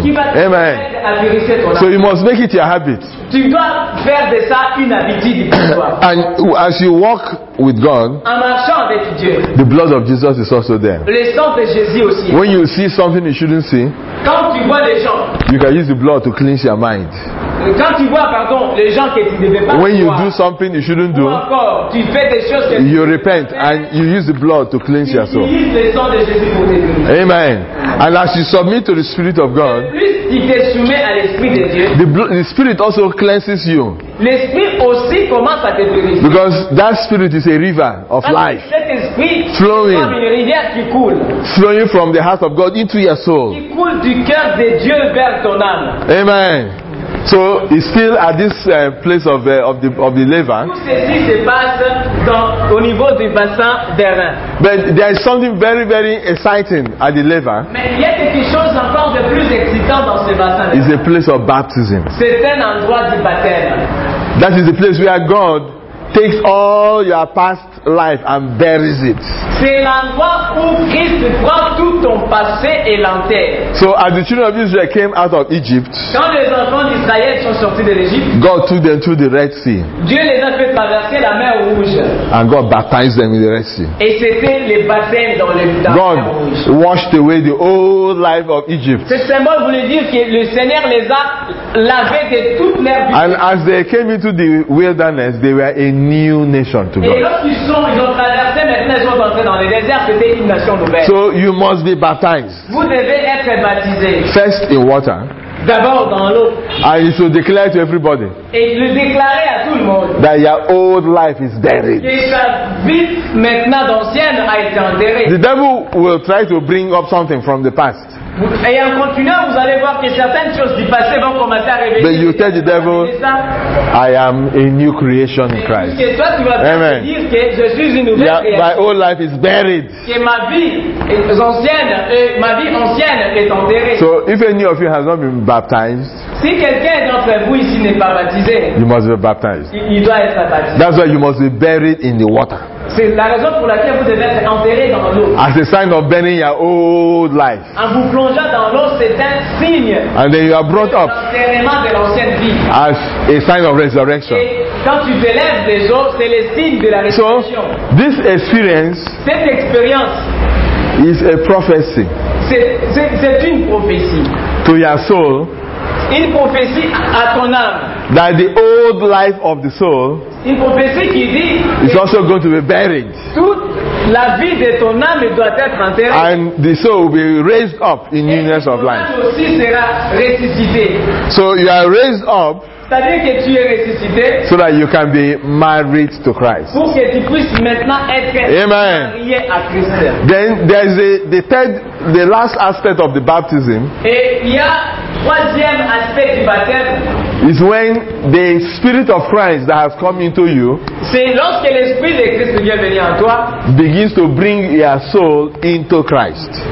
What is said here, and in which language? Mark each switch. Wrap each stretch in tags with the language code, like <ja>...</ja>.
<en>Amen. So you must make it your habit.</en> <fr>Tu dois faire de ça une habitude.</fr> <en>And as you walk with God,</en> <fr>en marchant avec Dieu,</fr> <en>the blood of Jesus is also there.</en> <fr>Le sang de Jésus aussi.</fr> <en>When you see something you shouldn't see,</en> <fr>quand tu vois les gens,</fr> <en>you can use the blood to cleanse your mind.</en> <fr>Quand tu vois, pardon, les gens que tu devais pas</fr> <en>when you</en> <fr>voir,</fr> <en>do something you shouldn't do,</en> <fr>encore, tu fais des choses que</fr> <en>you repent and you use the blood to cleanse your soul.</en> <fr>Utilise le sang de Jésus pour te</fr> <en>cleanser. Amen. And as you submit to the Spirit of God, the Spirit also cleanses you.</en> <fr>L'esprit aussi commence à te purifier.</fr> <en>Because that Spirit is a river of life.</en> <fr>Cet esprit</fr> <en>flowing,</en> <fr>comme une rivière qui coule,</fr> <en>flowing from the heart of God into your soul.</en> <fr>Qui coule du cœur de Dieu vers ton âme. Amen.</fr> <en>So it's still at this place of the liver.</en> <fr>Tout ceci se passe au niveau du bassin des reins.</fr> <en>But there is something very, very exciting at the liver.</en> <fr>Mais il y a quelque chose encore de plus excitant dans ce bassin des reins.</fr> <en>It's a place of baptism.</en> <fr>C'est un endroit du baptême.</fr> <en>That is the place where God takes all your past life and buries it.</en> <fr>C'est l'endroit où Christ prend tout ton passé et l'enterre.</fr> <en>So as the children of Israel came out of Egypt,</en> <fr>quand les enfants d'Israël sont sortis de l'Égypte,</fr> <en>God took them through the Red Sea.</en> <fr>Dieu les a fait traverser la mer rouge.</fr> <en>And God baptized them in the Red Sea.</en> <fr>Et c'était les baptêmes dans le mer rouge.</fr> <en>God washed away the whole life of Egypt.</en> <fr>Ce symbole voulait dire que le Seigneur les a lavés de toute leur vie.</fr> <en>And as they came into the wilderness, they were a new nation to God.</en> <fr>Et lorsqu'ils sont, ils ont traversé, maintenant ils sont entrés dans le désert, c'était une nation nouvelle.</fr> <en>So you must be baptized.</en> <fr>Vous devez être baptisé.</fr> <en>First in water.</en> <fr>D'abord dans l'eau.</fr> <en>And you should declare to everybody.</en> <fr>Et le déclarer à tout le monde.</fr> <en>That your old life is buried.</en> <fr>Que sa vie maintenant ancienne a été enterrée.</fr> <en>The devil will try to bring up something from the past.</en> <fr>Et en continuant, vous allez voir que certaines choses du passé vont commencer à réveiller.</fr> <en>But you tell the devil, I am a new creation in Christ.</en> <fr>Et toi, tu vas Amen. Dire que je suis une nouvelle création.</fr> <en>My old life is buried.</en> <fr>Que ma vie ancienne, est enterrée.</fr> <en>So if any of you has not been baptized,</en> <fr>si quelqu'un d'entre vous ici n'est pas baptisé,</fr> <en>you must be baptized.</en> <fr>Il doit être baptisé.</fr> <en>That's why you must be buried in the water.</en> <fr>C'est la raison pour laquelle vous devez être enterré dans l'eau.</fr> <en>As a sign of burying your old life.</en> <fr>En vous plongeant dans l'eau, c'est un signe.</fr> <en>And then you are brought up.</en> <fr>L'enterrement de l'ancienne vie.</fr> <en>As a sign of resurrection.</en> <fr>Et quand tu t'élèves des eaux, c'est le signe de la résurrection.</fr> <en>So, this experience.</en> <fr>Cette expérience.</fr> <en>Is a prophecy.</en> <fr>C'est une prophétie.</fr> <en>To your soul.</en> <fr>Une prophétie à ton âme.</fr> <en>That the old life of the soul.</en> <fr>Une prophétie qui dit.</fr> <en>Is also going to be buried.</en> <fr>Toute la vie de ton âme doit être enterrée.</fr> <en>And the soul will be raised up in newness of life.</en> <fr>Et ton âme aussi sera ressuscité.</fr> <en>So you are raised up.</en> <fr>C'est-à-dire que tu es ressuscité.</fr> <en>So that you can be married to Christ.</en> <fr>Pour que tu puisses maintenant être Amen. Marié à Christ.</fr> <en>Then there is the last aspect of the baptism.</en> <fr>Et il y a troisième aspect du baptême.</fr> <en>Is when the Spirit of Christ that has come into you begins to bring your soul into Christ.</en>